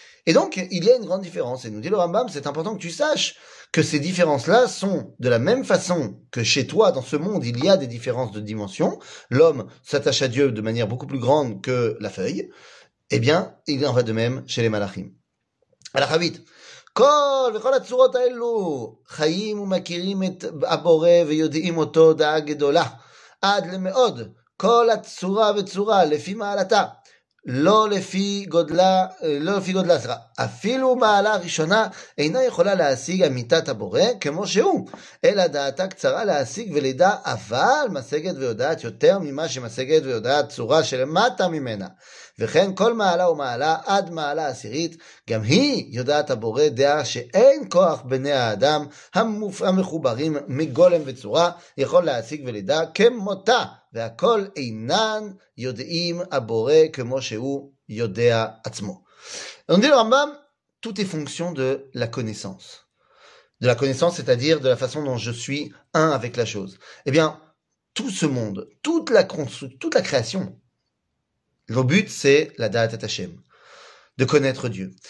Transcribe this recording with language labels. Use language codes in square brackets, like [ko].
[fr] Et donc, il y a une grande différence. Et nous dit le Rambam, c'est important que tu saches que ces différences-là sont de la même façon que chez toi, dans ce monde, il y a des différences de dimension. L'homme s'attache à Dieu de manière beaucoup plus grande que la feuille. Eh bien, il en va de même chez les Malachim. Alors, Habit. [he] כל וכל הצורות האלו חיים ומכירים את הבורא ויודעים אותו דעה גדולה עד למאוד כל הצורה וצורה לפי מעלתה לא לפי גודלה לא לפי גודלה סרה אפילו מעלה ראשונה אינה יכולה להשיג אמיתת הבורא כמו שהוא אלא דעתה קצרה להשיג ולדע אבל משגת ויודעת יותר ממה שמשגת ויודעת צורה שלמטה ממנה וכן כל מעלה ומעלה עד מעלה עשירית גם היא יודעת הבורא דעה שאין כוח בני האדם המחוברים מגולם וצורה יכול להשיג ולדע כמותה והכל אינן יודעים הבורא כמו שהוא יודע עצמו. [fr] On dit le Rambam, tout est fonction de la connaissance. De la connaissance, c'est-à-dire de la façon dont je suis un avec la chose. Eh bien, tout ce monde, toute la création, le but, c'est la Da'at et Hashem, de connaître Dieu.